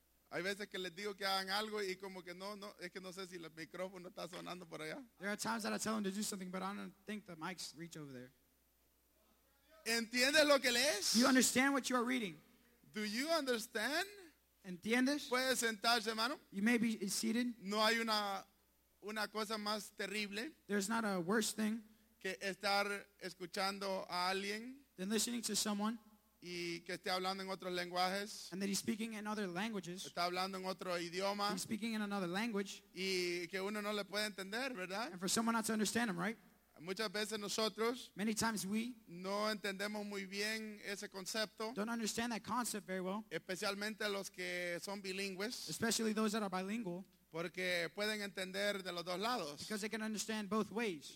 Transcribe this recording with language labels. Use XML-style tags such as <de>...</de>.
<es>Hay veces que les digo que hagan algo y como que no, es que no sé si el micrófono está sonando por allá.</es> <en>There are times that I tell them to do something, but I don't think the mics reach over there.</en> <es>¿Entiendes lo que lees?</es> <en>Do you understand what you are reading? Do you understand?</en> <es>¿Entiendes? ¿Puedes sentarse, hermano?</es> <en>You may be seated.</en> <es>No hay una cosa más terrible.</es> <en>There's not a worse thing.</en> <es>Que estar escuchando a alguien.</es> <en>Than listening to someone.</en> <es>Y que esté hablando en otros lenguajes.</es> <en>And that he's speaking in other languages.</en> <es>Está hablando en otro idioma.</es> <en>He's speaking in another language.</en> <es>Y que uno no le puede entender, ¿verdad?</es> <en>And for someone not to understand him, right?</en> <es>Muchas veces nosotros.</es> <en>Many times we.</en> <es>No entendemos muy bien ese concepto.</es> <en>Don't understand that concept very well.</en> <es>Especialmente los que son bilingües.</es> <en>Especially those that are bilingual.</en> <es>Porque pueden entender de los dos lados.</es> <en>Because they can understand both ways.</en>